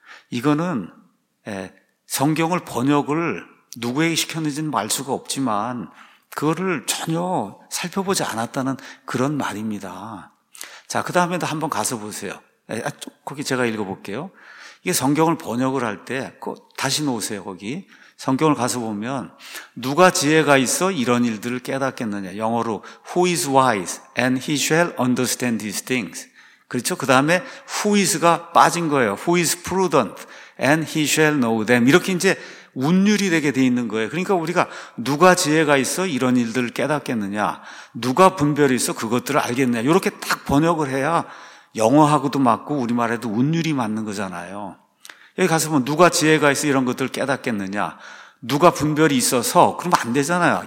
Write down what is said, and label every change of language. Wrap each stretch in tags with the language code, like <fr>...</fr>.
<ko>이거는 성경을 번역을 누구에게 시켰는지는 알 수가 없지만 그거를 전혀 살펴보지 않았다는 그런 말입니다. 자, 그 다음에도 한번 가서 보세요. 거기 제가 읽어볼게요. 이게 성경을 번역을 할 때 다시 놓으세요. 거기 성경을 가서 보면 누가 지혜가 있어 이런 일들을 깨닫겠느냐.</ko> <en>영어로 Who is wise and he shall understand these things.</en> <ko>그렇죠? 그 다음에 Who is가 빠진 거예요.</ko> <en>Who is prudent and he shall know them.</en> <ko>이렇게 이제 운율이 되게 돼 있는 거예요. 그러니까 우리가 누가 지혜가 있어 이런 일들을 깨닫겠느냐. 누가 분별이 있어 그것들을 알겠느냐. 이렇게 딱 번역을 해야 영어하고도 맞고 우리말에도 운율이 맞는 거잖아요. 여기 가서 보면 누가 지혜가 있어 이런 것들을 깨닫겠느냐. 누가 분별이 있어서 그러면 안 되잖아요.</ko>